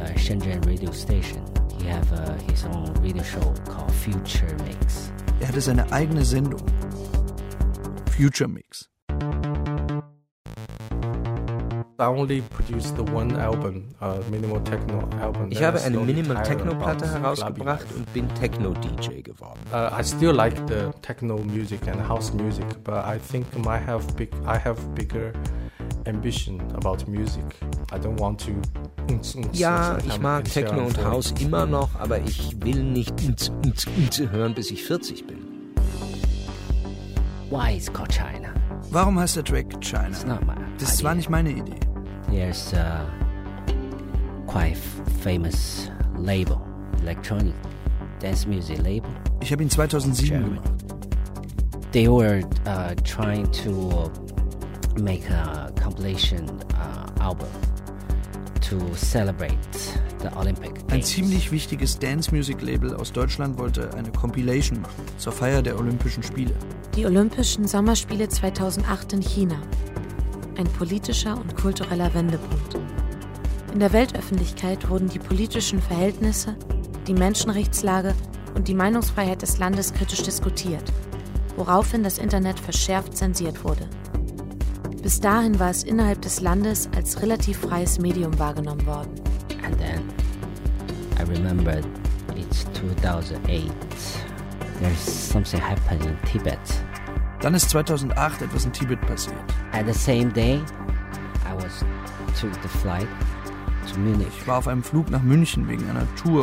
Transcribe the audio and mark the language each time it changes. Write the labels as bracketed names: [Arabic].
[English] Shenzhen Radio Station. He have his own radio show called Future Mix. [German] Er hatte seine eigene Sendung. Future Mix. Ich habe eine Minimal Techno Platte herausgebracht und bin Techno DJ geworden. [English] I still like the techno music and house music, but I think I have bigger ambition about music. I don't want to. [German] Ja, ich mag Techno und House immer noch, aber ich will nicht hören, bis ich 40 bin. [English] Why is called China? [German] Warum heißt der Track China? [English] It's not my [German] idea. Das war nicht meine Idee. [English] There's a quite famous label, electronic dance music label. [German] Ich habe ihn 2007 gemacht. [English] They were trying to make a compilation album. To celebrate the Olympic Games. [German] Ein ziemlich wichtiges Dance-Music-Label aus Deutschland wollte eine Compilation machen zur Feier der Olympischen Spiele. Die Olympischen Sommerspiele 2008 in China. Ein politischer und kultureller Wendepunkt. In der Weltöffentlichkeit wurden die politischen Verhältnisse, die Menschenrechtslage und die Meinungsfreiheit des Landes kritisch diskutiert, woraufhin das Internet verschärft zensiert wurde. Bis dahin war es innerhalb des Landes als relativ freies Medium wahrgenommen worden. [English] And then, I remember it's 2008. There's something happened in Tibet. [German] Dann ist 2008 etwas in Tibet passiert. [English] At the same day, I was took the flight to Munich. [German] Ich war auf einem Flug nach München wegen einer Tour.